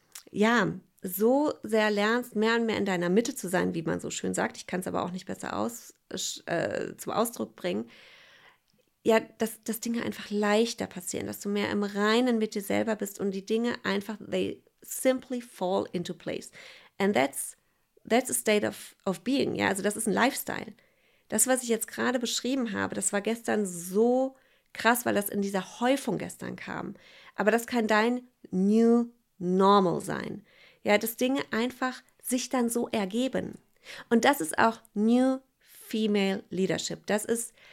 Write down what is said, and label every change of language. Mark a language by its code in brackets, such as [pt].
[de] ja, so sehr lernst, mehr und mehr in deiner Mitte zu sein, wie man so schön sagt, ich kann es aber auch nicht besser zum Ausdruck bringen, ja, dass Dinge einfach leichter passieren, dass du mehr im Reinen mit dir selber bist und die Dinge einfach, simply fall into place. [en] And that's a state of being. [de] Ja, also das ist ein Lifestyle. Das, was ich jetzt gerade beschrieben habe, das war gestern so krass, weil das in dieser Häufung gestern kam. Aber das kann dein new normal sein. Ja, dass Dinge einfach sich dann so ergeben. Und das ist auch new female leadership. Das ist